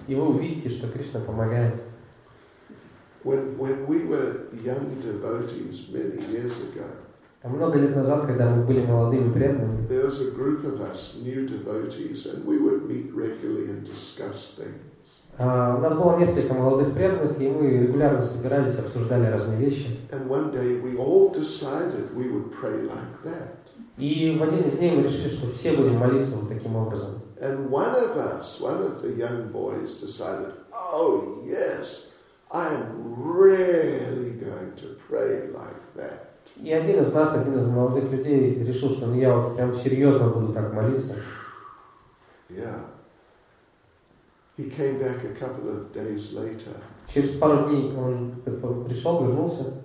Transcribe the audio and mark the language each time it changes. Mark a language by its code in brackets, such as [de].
[ru] И вы увидите, что Кришна помогает. [en] When we were young devotees many years ago. [ru] А много лет назад, когда мы были молодыми преданными. [en] There was a group of us new devotees, and we would meet regularly and discuss things. [ru] У нас было несколько молодых преданных, и мы регулярно собирались, обсуждали разные вещи. [en] And one day we all decided we would pray like that. [ru] И в один из дней мы решили, что все будем молиться вот таким образом. [en] And one of us, one of the young boys, decided, oh yes, I'm really going to pray like that. [ru] И один из нас, один из молодых людей, решил, что я вот прям серьезно буду так молиться. [en] Yeah. He came back a couple of days later. [ru] Через пару дней он пришел, вернулся.